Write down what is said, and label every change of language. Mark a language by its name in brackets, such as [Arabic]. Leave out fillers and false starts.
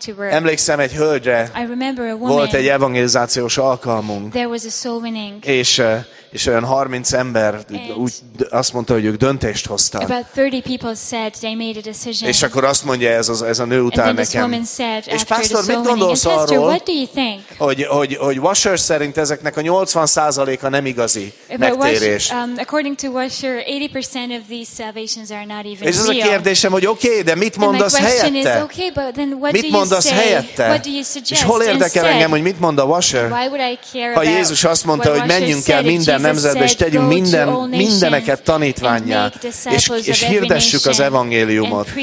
[Hungarian] Emlékszem egy hölgyre, volt egy evangelizációs alkalmunk, és olyan 30 ember úgy azt mondta, hogy ők döntést hoztak. [English] About 30 people said they made a decision. [Hungarian] És akkor azt mondja ez a nő után nekem. És pásztor, mit gondolsz arról, hogy Washer szerint ezeknek a 80%-a nem igazi megtérés. [English] According to Washer, 80% of these salvations are not even real. [Hungarian] És az a kérdésem, hogy oké, de mit mondasz helyette? Mit mondasz helyette? És hol érdekel engem, hogy mit mond a Washer? Ha Jézus azt mondta, hogy menjünk el minden nemzetbe, és tegyünk mindeneket tanítvánnyá, és hirdessük az evangéliumot.